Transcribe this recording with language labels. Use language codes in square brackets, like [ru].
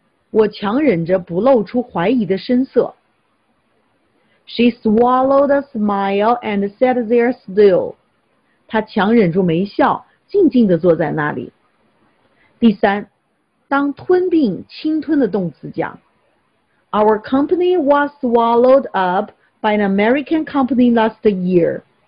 [zh] 我强忍着不露出怀疑的声色。 [en] She swallowed a smile and sat there still. [zh] 她强忍住没笑，静静地坐在那里。第三，当吞并侵吞的动词讲。 [en] Our company was swallowed up by an American company last year.